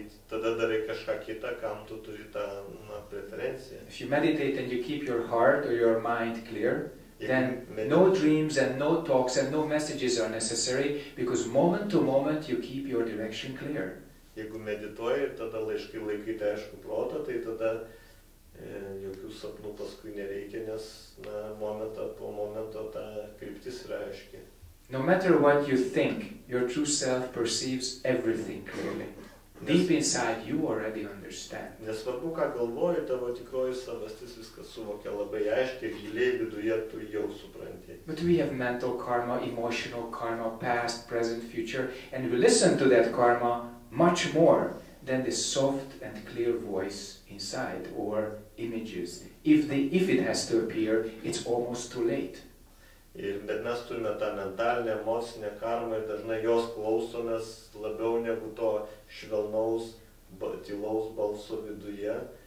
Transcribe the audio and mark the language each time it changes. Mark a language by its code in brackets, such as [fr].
[lt] Tada darai kažką kitą, kam tu turi tą, na, preferenciją. [en] If you meditate and you keep your heart or your mind clear, then no dreams and no talks and no messages are necessary, because moment to moment you keep your direction clear. [lt] Jeigu medituoji, tada laiškai laikyti aišku protą, tai tada jokių sapnų paskui nereikia, nes, na, momentą po momento ta kryptis yra aiški. [en] No matter what you think, your true self perceives everything clearly. Deep inside, you already understand. [lt] Nesvarbu, ką galvoji, tavo tikroji savastis viskas suvokia labai aiškiai, giliai viduje tu jau supranti. [en] But we have mental karma, emotional karma, past, present, future, and we listen to that karma much more than this soft and clear voice inside or images. If it has to appear, it's almost too late. [lt] Bet mes turime tą mentalinę, emocinę karmą ir dažnai jos klausomės labiau negu to švelnaus, tylaus balso viduje.